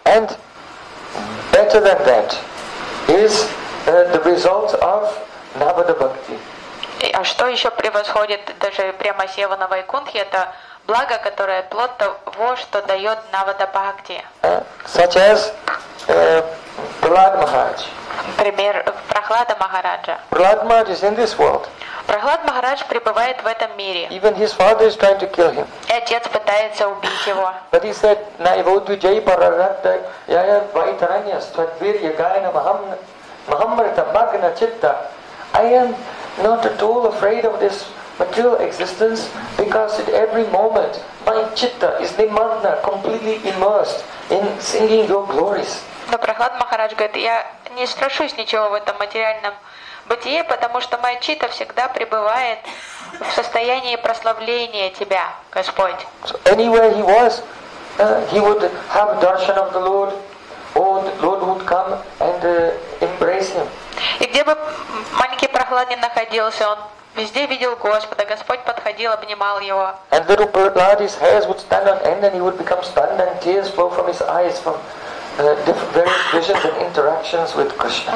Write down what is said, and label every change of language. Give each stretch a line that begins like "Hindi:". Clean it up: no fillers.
English: And better than that is the result of Navada Bhakti.
Russian: А что еще превосходит даже према-севу на Вайкунтхе, это благо, которое плод того, что дает Навада Бхакти.
English: Such as Prahlad Maharaj.
Russian: Пример Прохлада Махараджа.
English: Prahlad Maharaj is in this world.
Russian: Прохлад Махарадж пребывает в этом мире.
English: Even his father is trying to kill him.
Russian: И отец пытается убить его.
English: But he said,
Sanskrit: Naivodhu Jai Pararata Yaya Vaitaranya Svadvirya Gayana Mahamrita Magna Chitta.
English: I am not at all afraid of this material existence because at every moment my chitta is nimagna, completely immersed in singing your glories.
Russian: Но Прохлад Махарадж говорит, я не страшусь ничего в этом материальном бытие, потому что моя чита всегда пребывает в состоянии прославления Тебя, Господь.
English: So anywhere he was, he would have darshan of the Lord, or the Lord would come and embrace him.
Russian: И где бы маленький Прохлад не находился, он везде видел Господа, Господь подходил, обнимал его.
English: And little Prahlad's hairs would stand on end and he would become stunned and tears flow from his eyes from various visions and interactions with Krishna.